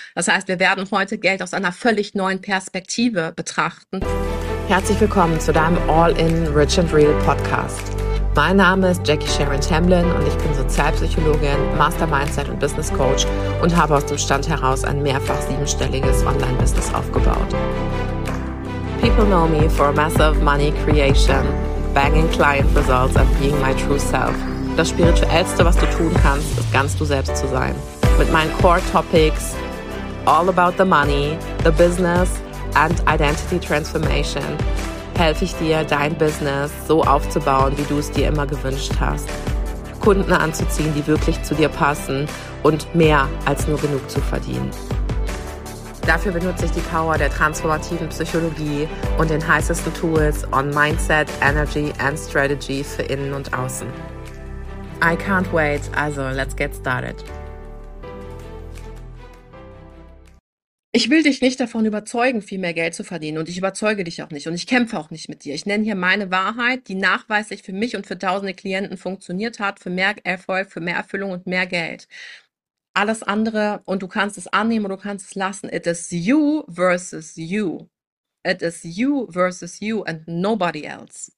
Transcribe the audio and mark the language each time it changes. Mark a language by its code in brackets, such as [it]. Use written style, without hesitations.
[de] Das heißt, wir werden heute Geld aus einer völlig neuen Perspektive betrachten. Herzlich willkommen zu deinem All-in Rich and Real Podcast. Mein Name ist Jackie Sharon Tamblyn und ich bin Sozialpsychologin, Master Mindset und Business Coach und habe aus dem Stand heraus ein mehrfach siebenstelliges Online-Business aufgebaut. [en] People know me for massive money creation, banging client results and being my true self. [de] Das Spirituellste, was du tun kannst, ist ganz du selbst zu sein. Mit meinen Core Topics, [en] all about the money, the business, and Identity Transformation [de] helfe ich dir, dein Business so aufzubauen, wie du es dir immer gewünscht hast. Kunden anzuziehen, die wirklich zu dir passen und mehr als nur genug zu verdienen. Dafür benutze ich die Power der transformativen Psychologie und den heißesten Tools [en] on Mindset, Energy and Strategy [de] für Innen und Außen. [en] I can't wait, also let's get started. [de] Ich will dich nicht davon überzeugen, viel mehr Geld zu verdienen. Und ich überzeuge dich auch nicht. Und ich kämpfe auch nicht mit dir. Ich nenne hier meine Wahrheit, die nachweislich für mich und für tausende Klienten funktioniert hat, für mehr Erfolg, für mehr Erfüllung und mehr Geld. Alles andere, und du kannst es annehmen oder du kannst es lassen. [en] It is you versus you. It is you versus you and nobody else.